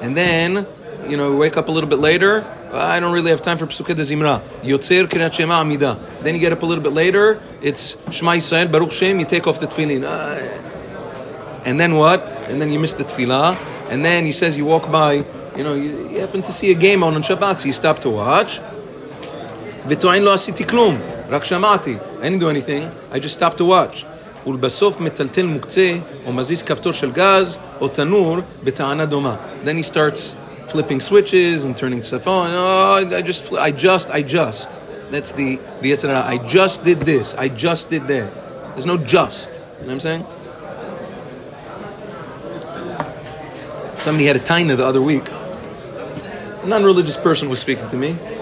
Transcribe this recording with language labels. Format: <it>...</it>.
<en>And then, you know, wake up a little bit later. I don't really have time for Pesukei Dezimra. Yotzer, Kriyat Shema, Amidah. Then you get up a little bit later. It's Shema Yisrael, Baruch Shem, you take off the tefillin. And then what? And then you miss the tefillah. And then he says you walk by, you know, you happen to see a game on Shabbat, so you stop to watch.</en> <he>וטוען לא עשיתי כלום, רק שמעתי.</he> <en>I didn't do anything, I just stopped to watch.</en> <he>ולבסוף מטלטל מוקצה, או מזיז כפתור של גז, או תנור, בטענה דומה.</he> <en>Then he starts flipping switches and turning stuff on. Oh, I just. That's the yetzer hara. I just did this, I just did that. There's no just, you know what I'm saying? Somebody had a taina the other week. A non-religious person was speaking to me.</en>